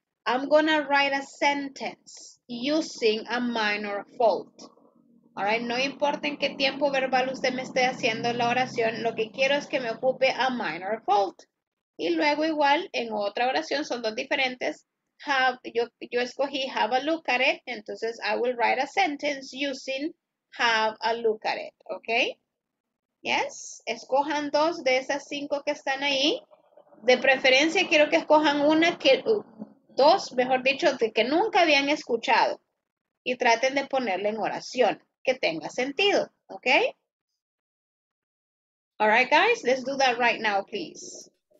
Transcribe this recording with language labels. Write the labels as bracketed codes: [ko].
[en] I'm going to write a sentence using a minor fault. All right. [es] No importa en qué tiempo verbal usted me esté haciendo la oración, lo que quiero es que me ocupe a minor fault. Y luego igual en otra oración, son dos diferentes, yo escogí have a look at it, entonces [en] I will write a sentence using have a look at it, [es] ¿ok? [en] Yes, [es] escojan dos de esas cinco que están ahí. De preferencia quiero que escojan una, que dos, mejor dicho, de que nunca habían escuchado. Y traten de ponerla en oración, que tenga sentido, ¿ok? [en] All right, guys, let's do that right now, please.